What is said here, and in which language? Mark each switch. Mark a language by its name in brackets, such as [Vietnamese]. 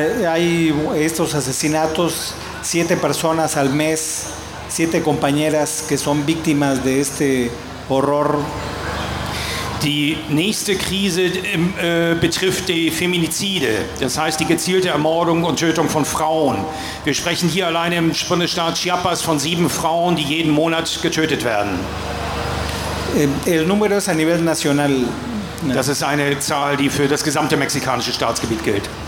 [Spanish] Hay estos asesinatos, 7 personas al mes, 7 compañeras que son víctimas de este horror. [German] Die nächste Krise betrifft die Feminizide, das heißt die gezielte Ermordung und Tötung von Frauen. Wir sprechen hier alleine im Bundesstaat Chiapas von 7 Frauen, die jeden Monat getötet werden. [Spanish] El número es a nivel nacional. [German] Das ist eine Zahl, die für das gesamte mexikanische Staatsgebiet gilt.